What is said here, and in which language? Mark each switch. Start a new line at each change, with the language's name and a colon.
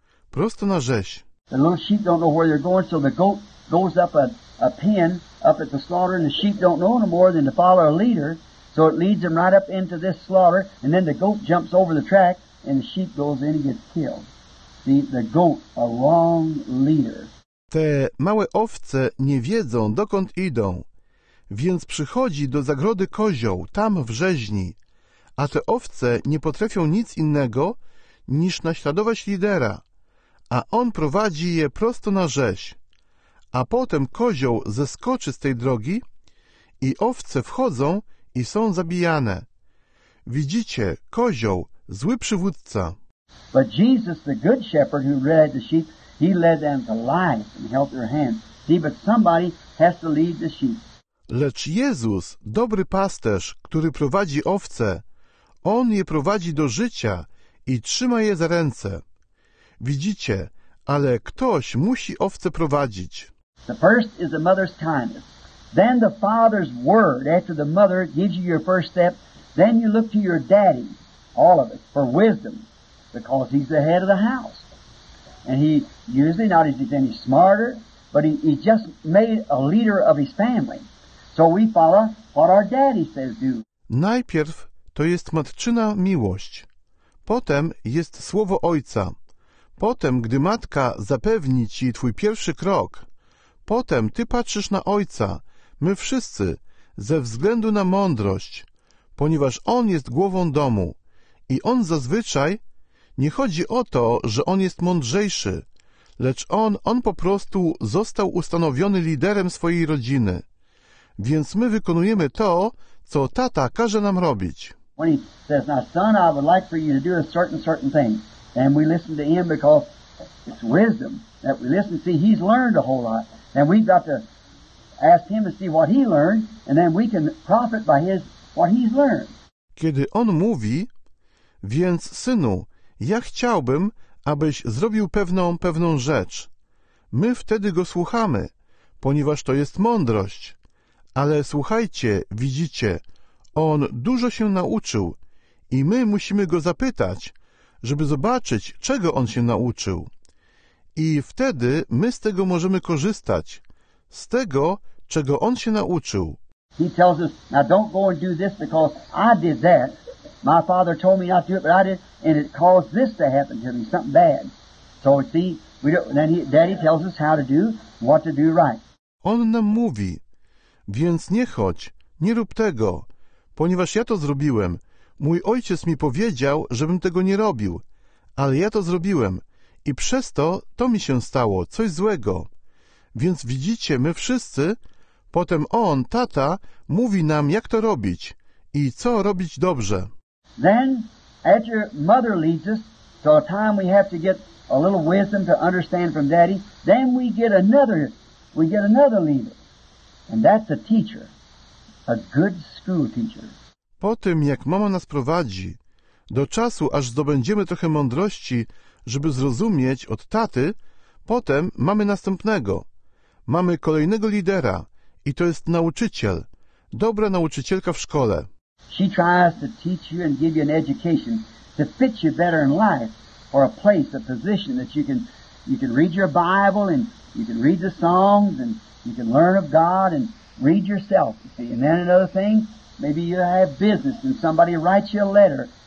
Polish: Prosto na rzeź.
English: The little sheep don't know where they're going, so the goat goes up a pen up at the slaughter, and the sheep don't know no more than to follow a leader, so it leads them right up into this slaughter, and then the goat jumps over the track, and the sheep goes in and gets killed. The goat, a wrong leader.
Polish: Te małe owce nie wiedzą, dokąd idą, więc przychodzi do zagrody kozioł, tam w rzeźni, a te owce nie potrafią nic innego, niż naśladować lidera, a on prowadzi je prosto na rzeź. A potem kozioł zeskoczy z tej drogi i owce wchodzą i są zabijane. Widzicie, kozioł, zły przywódca.
English: But Jesus, the good shepherd who led the sheep, he led them to life and held their hands. See, but somebody has to lead the sheep.
Polish: Lecz Jezus, dobry pasterz, który prowadzi owce, on je prowadzi do życia i trzyma je za ręce. Widzicie, ale ktoś musi owce prowadzić.
English: The first is the mother's kindness. Then the father's word, after the mother gives you your first step, then you look to your daddy, all of us, for wisdom, because he's the head of the house. And he usually not as he's any smarter, but he just made a leader of his family. So we follow what our daddy says do.
Polish: Najpierw to jest matczyna miłość. Potem jest słowo ojca. Potem, gdy matka zapewni ci twój pierwszy krok, potem ty patrzysz na ojca, my wszyscy, ze względu na mądrość, ponieważ on jest głową domu i on zazwyczaj nie chodzi o to, że on jest mądrzejszy, lecz on po prostu został ustanowiony liderem swojej rodziny. Więc my wykonujemy to, co tata każe nam robić.
English: When he says, now son, I would like for you to do a certain thing. And we listen to him because it's wisdom that we listen. See, he's learned a whole lot. And we've got to ask him to see what he learned, and then we can profit by his what he's learned.
Polish: Kiedy on mówi, więc synu, ja chciałbym, abyś zrobił pewną rzecz. My wtedy go słuchamy, ponieważ to jest mądrość. Ale słuchajcie, widzicie, on dużo się nauczył i my musimy go zapytać, żeby zobaczyć, czego on się nauczył. I wtedy my z tego możemy korzystać, z tego, czego on się nauczył.
English: He tells us, now don't go and do this because I did that. My father told me not to do it, but I did, and it caused this to happen to me, something bad. So see, we don't, then he, daddy tells us how to do, what to do right.
Polish: On nam mówi, więc nie chodź, nie rób tego, ponieważ ja to zrobiłem. Mój ojciec mi powiedział, żebym tego nie robił, ale ja to zrobiłem i przez to to mi się stało, coś złego. Więc widzicie, my wszyscy, potem on, tata, mówi nam, jak to robić i co robić dobrze.
English: Then, as your mother leads us to a time we have to get a little wisdom to understand from daddy, then we get another leader. And that's a teacher, a good school teacher.
Polish: Po tym, jak mama nas prowadzi, do czasu, aż zdobędziemy trochę mądrości, żeby zrozumieć od taty, potem mamy następnego. Mamy kolejnego lidera i to jest nauczyciel, dobra nauczycielka w szkole.
English: She tries to teach you and give you an education to fit you better in life or a place, a position that you can read your Bible and you can read the songs and you can learn of God and read yourself. And then another thing, maybe you have business and somebody writes you a letter.